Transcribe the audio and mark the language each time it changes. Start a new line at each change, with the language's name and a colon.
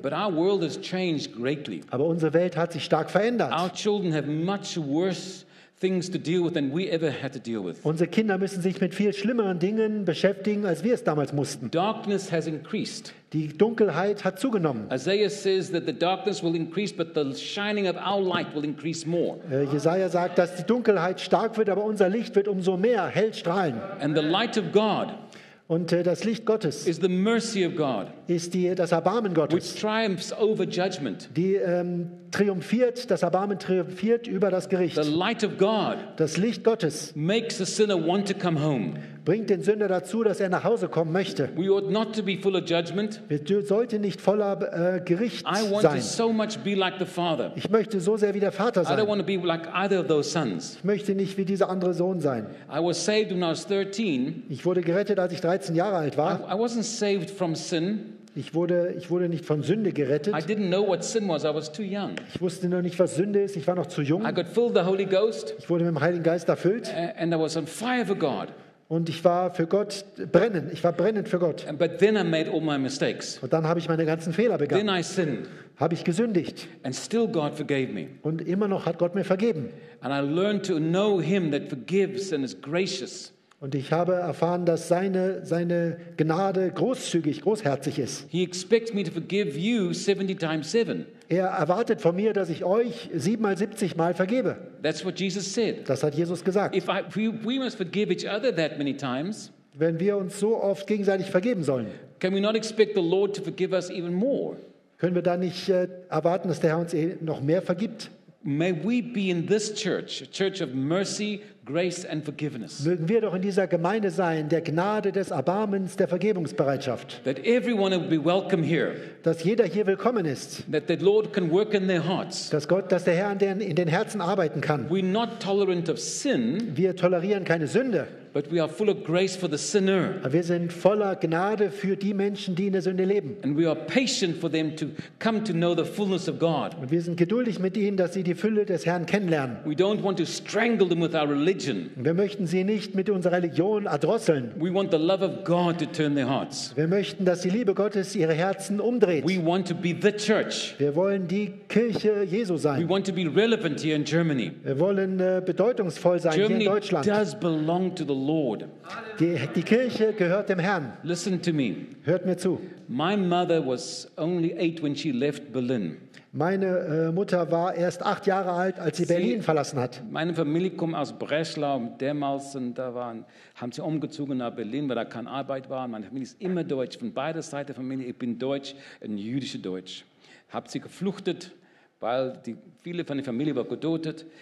English: But our world has changed greatly.
German: Aber unsere Welt hat sich stark verändert.
English: Our children have much worse things to deal with than we ever had to deal with.
German: Unsere Kinder müssen sich mit viel schlimmeren Dingen beschäftigen, als wir es damals mussten.
English: Darkness has increased.
German: Die Dunkelheit hat zugenommen.
English: Isaiah says that the darkness will increase, but the shining of our light will increase more.
German: Jesaja sagt, dass die Dunkelheit stark wird, aber unser Licht wird umso mehr hell strahlen.
English: And the light of God.
German: Und das Licht Gottes
English: is the mercy of God,
German: ist die, das Erbarmen Gottes,
English: which triumphs over judgment.
German: Die triumphiert, das Erbarmen triumphiert über das Gericht.
English: The light of God,
German: das Licht Gottes,
English: makes the sinner want to come home.
German: Bringt den Sünder dazu, dass er nach Hause kommen möchte.
English: We ought not to be full of judgment.
German: Wir sollten nicht voller Gericht
English: I want
German: sein.
English: To so much be like the Father.
German: Ich möchte so sehr wie der Vater sein.
English: I don't want to be like either of those sons.
German: Ich möchte nicht wie dieser andere Sohn sein.
English: I was saved when I was 13.
German: Ich wurde gerettet, als ich 13 Jahre alt war.
English: I wasn't saved from sin.
German: Ich wurde nicht von Sünde gerettet.
English: I didn't know what sin was. I was too young.
German: Ich wusste noch nicht, was Sünde ist. Ich war noch zu jung.
English: I got filled the Holy Ghost.
German: Ich wurde mit dem Heiligen Geist erfüllt.
English: And I was on fire for God.
German: Und ich war für Gott brennend. Ich war brennend für Gott.
English: But then I made all my mistakes.
German: Und dann habe ich meine ganzen Fehler begangen.
English: Then I sinned.
German: Habe ich gesündigt.
English: And still God forgave me.
German: Und immer noch hat Gott mir vergeben.
English: And I learned to know Him that forgives and is gracious.
German: Und ich habe erfahren, dass seine Gnade großzügig, großherzig ist.
English: He expects me to forgive you 70 times 7.
German: Er erwartet von mir, dass ich euch 70 Mal vergebe.
English: That's what Jesus said.
German: Das hat Jesus gesagt.
English: We must forgive each other that many times.
German: Wenn wir uns so oft gegenseitig vergeben sollen.
English: Can we not expect the Lord to forgive us even more?
German: Können wir da nicht erwarten, dass der Herr uns noch mehr vergibt?
English: May we be in this church, a church of mercy, grace and forgiveness.
German: Mögen wir doch in dieser Gemeinde sein, der Gnade, des Erbarmens, der Vergebungsbereitschaft.
English: That everyone will be welcome here.
German: Dass jeder hier willkommen ist.
English: That the Lord can work in their hearts.
German: Dass der Herr in den Herzen arbeiten kann.
English: We're not tolerant of sin.
German: Wir tolerieren keine Sünde.
English: But we are full of grace for the sinner.
German: Wir sind voller Gnade für die Menschen, die in der Sünde leben.
English: And we are patient for them to come to know the fullness of God.
German: Und wir sind geduldig mit ihnen, dass sie die Fülle des Herrn kennenlernen.
English: We don't want to strangle them with our religion.
German: Wir möchten sie nicht mit unserer Religion erdrosseln.
English: We want the love of God to turn their hearts.
German: Wir möchten, dass die Liebe Gottes ihre Herzen umdreht.
English: We want to be the church.
German: Wir wollen die Kirche Jesu sein.
English: We want to be relevant here in Germany.
German: Wir wollen bedeutungsvoll sein hier in Deutschland.
English: Germany does belong to the Lord.
German: Die Kirche gehört dem Herrn.
English: Listen to me.
German: Hört mir zu.
English: My mother was only 8 when she left Berlin.
German: Meine Mutter war erst 8 Jahre alt, als sie Berlin verlassen hat. Meine Familie kommt aus Breslau. Damals haben sie umgezogen nach Berlin, weil da keine Arbeit war. Meine Familie ist immer deutsch. Von beider Seite der Familie. Ich bin deutsch, ein jüdischer Deutsch. Hab sie geflüchtet, weil viele von der Familie war getötet.